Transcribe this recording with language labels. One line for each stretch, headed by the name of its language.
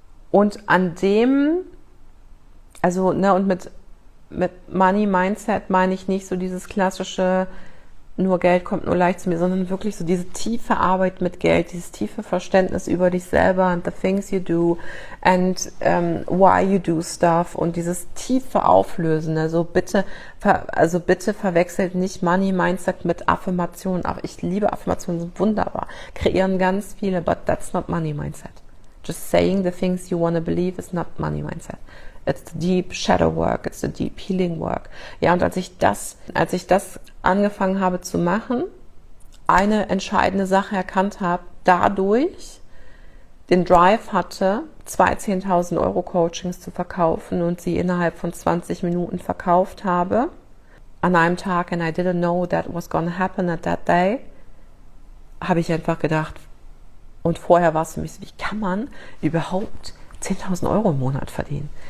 German: Und an dem, also, ne, und mit Money Mindset meine ich nicht so dieses klassische, nur Geld kommt nur leicht zu mir, sondern wirklich so diese tiefe Arbeit mit Geld, dieses tiefe Verständnis über dich selber
English: and the things you do and why you do stuff
German: und dieses tiefe Auflösen. Also bitte verwechselt nicht Money Mindset mit Affirmationen. Ach, ich liebe Affirmationen, sind wunderbar, kreieren ganz viele,
English: but that's not Money Mindset. Just saying the things you want to believe is not Money Mindset. It's the deep shadow work, it's the deep healing work.
German: Ja, und als ich das angefangen habe zu machen, eine entscheidende Sache erkannt habe, dadurch den Drive hatte, zwei 10.000 Euro Coachings zu verkaufen und sie innerhalb von 20 Minuten verkauft habe, an einem Tag,
English: and I didn't know that was gonna happen at that day,
German: habe ich einfach gedacht, und vorher war es für mich so, wie kann man überhaupt 10.000 Euro im Monat verdienen?